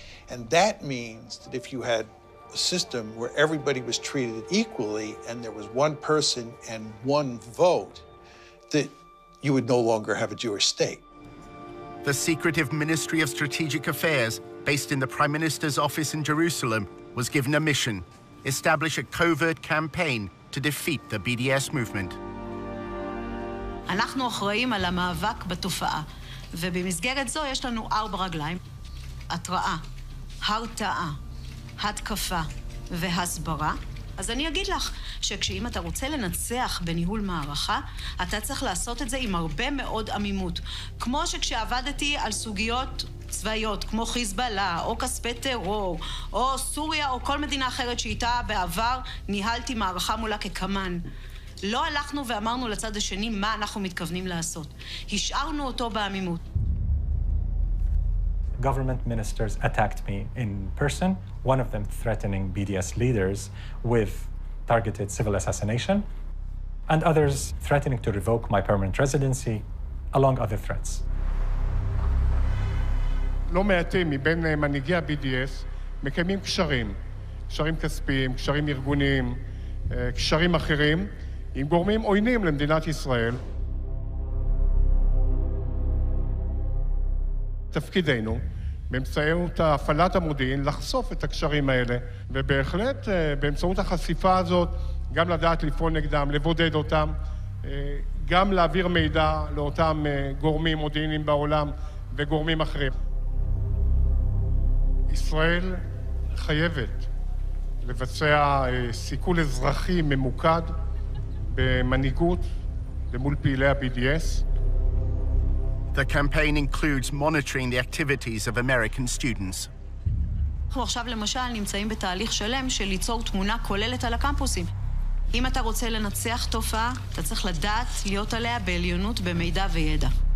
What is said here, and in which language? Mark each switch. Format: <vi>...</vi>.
<en>And that means that if you had a system where everybody was treated equally and there was one person and one vote, that you would no longer have a Jewish state. The secretive Ministry of Strategic Affairs, based in the Prime Minister's office in Jerusalem, was given a mission: establish a covert campaign to defeat the BDS movement.</en> <he>אנחנו אחראים על המאבק בתופעה, ובמסגרת זו יש לנו ארבע רגליים: התראה, הרתעה, התקפה והסברה. אז אני אגיד לך שכשאם אתה רוצה לנצח בניהול מערכה, אתה צריך לעשות את זה עם הרבה מאוד עמימות. כמו שכשעבדתי על סוגיות צבאיות, כמו חיזבאללה, או כספי טרור, או סוריה, או כל מדינה אחרת שאיתה בעבר ניהלתי מערכה מולה כקמן. לא הלכנו ואמרנו לצד השני מה אנחנו מתכוונים לעשות. השארנו אותו בעמימות.</he> <en>Government ministers attacked me in person, one of them threatening BDS leaders with targeted civil assassination, and others threatening to revoke my permanent residency, among other threats.</en> <he>לא מעטים מבין מנהיגי ה-BDS מקיימים קשרים, קשרים כספיים, קשרים ארגוניים, קשרים אחרים, עם גורמים עוינים למדינת ישראל. תפקידנו, באמצעות הפעלת המודיעין, לחשוף את הקשרים האלה, ובהחלט באמצעות החשיפה הזאת, גם לדעת לפעול נגדם, לבודד אותם, גם להעביר מידע לאותם גורמים מודיעיניים בעולם וגורמים אחרים. ישראל חייבת לבצע סיכול אזרחי ממוקד במנהיגות למול פעילי ה-BDS.</he> <en>The campaign includes monitoring the activities of American students.</en> <he>אנחנו עכשיו למשל נמצאים בתהליך שלם של ליצור תמונה כוללת על הקמפוסים. אם אתה רוצה לנצח תופעה, אתה צריך לדעת להיות עליה בעליונות במידע וידע.</he>